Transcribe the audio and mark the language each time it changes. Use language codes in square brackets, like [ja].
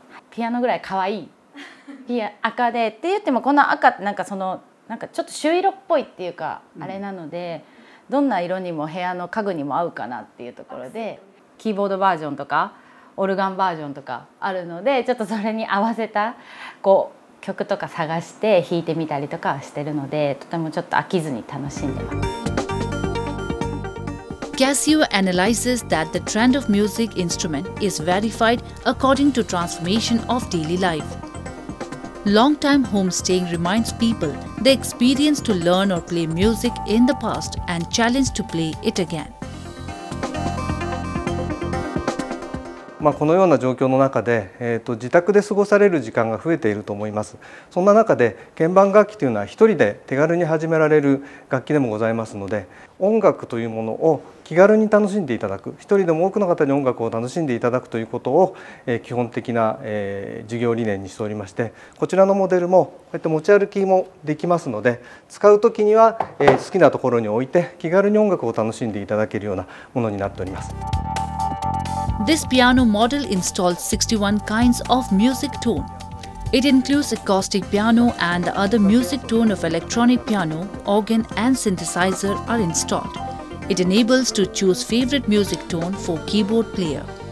[ja] ピアノぐらい可愛いピア赤でって言っても、この赤ってなんかそのなんかちょっと朱色っぽいっていうかあれなので、どんな色にも部屋の家具にも合うかなっていうところで、キーボードバージョンとかオルガンバージョンとかあるので、ちょっとそれに合わせたこう曲とか探して弾いてみたりとかしてるので、とてもちょっと飽きずに楽しんでます。 [en] Casio analyzes that the trend of music instrument is verified according to transformation of daily life. Long time home staying reminds people the experience to learn or play music in the past and challenge to play it again. [ja] まあ、このような状況の中で、自宅で過ごされる時間が増えていると思います。そんな中で鍵盤楽器というのは一人で手軽に始められる楽器でもございますので、音楽というものを気軽に楽しんでいただく、一人でも多くの方に音楽を楽しんでいただくということを、基本的な、授業理念にしておりまして、こちらのモデルもこうやって持ち歩きもできますので、使うときには、好きなところに置いて気軽に音楽を楽しんでいただけるようなものになっております。 [en] This piano model installs 61 kinds of music tone. It includes acoustic piano and the other music tone of electronic piano, organ and synthesizer are installed. It enables to choose favorite music tone for keyboard player.